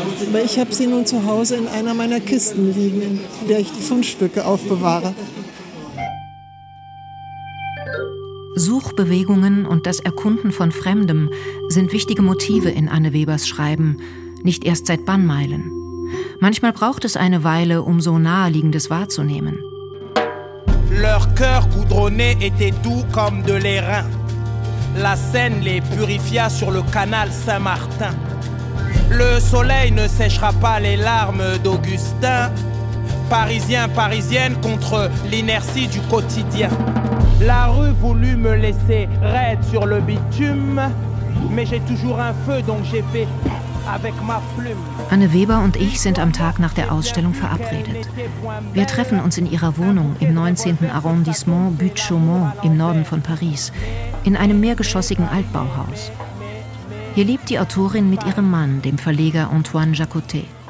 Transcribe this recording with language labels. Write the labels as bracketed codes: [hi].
[de] Aber ich habe sie nun zu Hause in einer meiner Kisten liegen, in der ich die Fundstücke aufbewahre. Suchbewegungen und das Erkunden von Fremdem sind wichtige Motive in Anne Webers Schreiben, nicht erst seit Bannmeilen. Manchmal braucht es eine Weile, um so Naheliegendes wahrzunehmen. [fr] Leur cœur coudronné était doux comme de l'airain. La Seine les purifia sur le canal Saint-Martin. Le soleil ne séchera pas les larmes d'Augustin. Parisien, parisienne contre l'inertie du quotidien. La rue voulut me laisser raide sur le bitume. Mais j'ai toujours un feu, donc j'ai fait avec ma plume. [de] Anne Weber und ich sind am Tag nach der Ausstellung verabredet. Wir treffen uns in ihrer Wohnung im 19. Arrondissement Butte-Chaumont im Norden von Paris, in einem mehrgeschossigen Altbauhaus. Hier lebt die Autorin mit ihrem Mann, dem Verleger Antoine Jacotet.